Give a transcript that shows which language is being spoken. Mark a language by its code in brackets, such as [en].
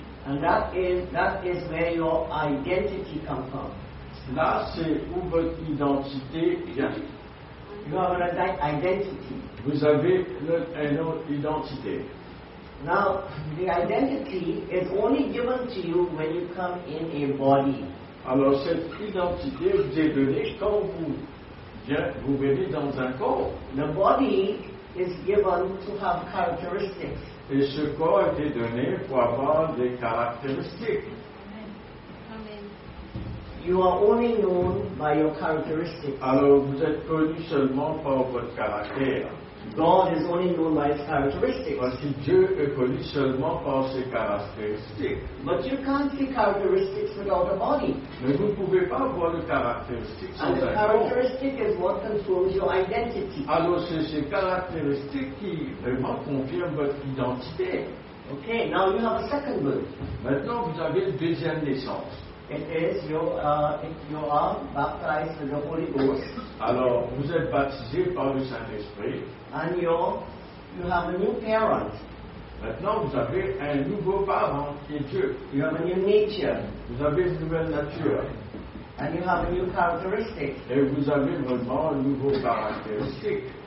[en] And that is where your identity comes from. [fr] Là, c'est où votre identité vient. [en] You have an identity. [fr] Vous avez une identité. [en] Now, the identity is only given to you when you come in a body. [fr] Alors, cette identité vous est donnée quand vous venez dans un corps. [en] The body is given to have characteristics. [fr] Et ce corps a été donné pour avoir des caractéristiques. [en] Amen. You are only known by your characteristics. [fr] Alors, vous êtes connu seulement par votre caractère. [en] God is only known by his characteristics. [fr] Parce que Dieu est connu seulement par ses caractéristiques. [en] But you can't see characteristics without the body. [fr] Mais vous ne pouvez pas voir les caractéristiques sans un corps. [en] And the characteristic is what controls your identity. [fr] Alors c'est ces caractéristiques qui vraiment confirment votre identité. [en] Okay, now you have a second birth. [fr] Maintenant vous avez une deuxième naissance. [en] It is you are baptized with the Holy Ghost. [fr] Alors, vous êtes baptisé par le Saint-Esprit. [en] And you have a new parent. [fr] Maintenant, vous avez un nouveau parent qui est Dieu. [en] You have a new nature. [fr] Vous avez une nouvelle nature. [en] And you have a new characteristic. [fr] Et vous avez vraiment un nouveau caractéristique.